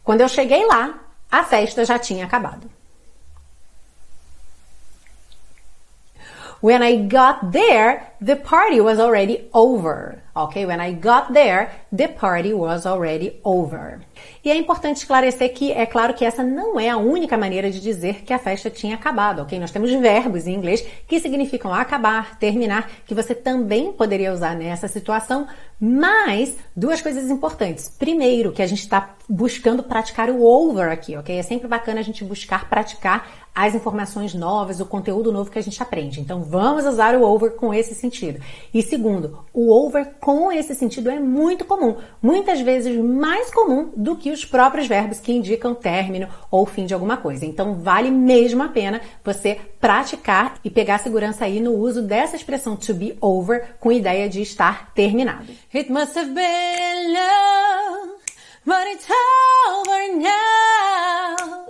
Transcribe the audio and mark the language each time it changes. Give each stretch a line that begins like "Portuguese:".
Portuguese: Quando eu cheguei lá, a festa já tinha acabado.
English: When I got there, the party was already over. Ok? When I got there, the party was already over.
Portuguese: E é importante esclarecer que é claro que essa não é a única maneira de dizer que a festa tinha acabado, ok? Nós temos verbos em inglês que significam acabar, terminar, que você também poderia usar nessa situação, mas duas coisas importantes. Primeiro, que a gente está buscando praticar o over aqui, ok? É sempre bacana a gente buscar praticar as informações novas, o conteúdo novo que a gente aprende. Então, vamos usar o over com esse sentido. E segundo, o over com esse sentido é muito comum, muitas vezes mais comum do que os próprios verbos que indicam término ou fim de alguma coisa. Então, vale mesmo a pena você praticar e pegar segurança aí no uso dessa expressão to be over com a ideia de estar terminado.
English: It must have been love, but it's over now.